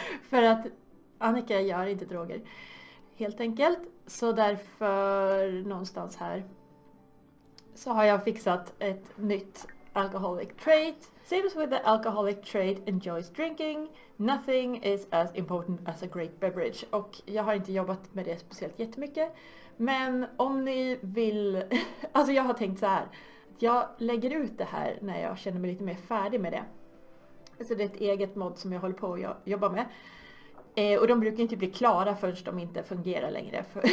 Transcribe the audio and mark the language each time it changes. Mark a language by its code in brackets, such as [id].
[sv] För att Annika gör inte droger, helt enkelt. Så därför någonstans här så har jag fixat ett nytt alcoholic trait. [en] Seems with the alcoholic trait enjoys drinking. Nothing is as important as a great beverage. [sv] Och jag har inte jobbat med det speciellt jättemycket. Men om ni vill, alltså jag har tänkt så här. Jag lägger ut det här när jag känner mig lite mer färdig med det. Så det är ett eget mod som jag håller på att jobba med. Och de brukar inte bli klara förrän de inte fungerar längre.